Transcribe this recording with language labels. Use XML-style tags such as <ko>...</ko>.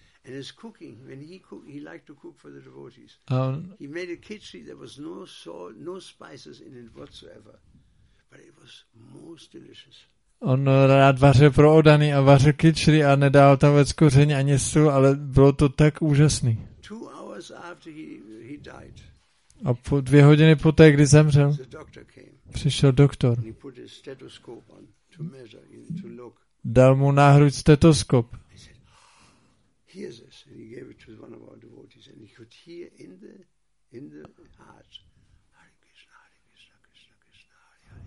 <en>And his cooking, when he cooked, he liked to cook for the devotees. He made a khichdi that was no salt, no spices in it whatsoever. But it was most delicious.</en> <cs>On rád vařil pro oddaný a vařil khichdi a nedal tam vůbec koření ani sůl, ale bylo to tak úžasný.</cs> <en>2 hours after he died.</en> <cs>A po 2 hodiny poté, kdy zemřel, přišel doktor.</cs> <en>He put his stethoscope on to measure, to look.</en> <cs>Dal mu na hruď stetoskop.</cs> <en>Hears this, and he gave it to one of our devotees, and he could hear in the heart, Hare Krishna, Hare Krishna, Krishna Krishna, Hare</en>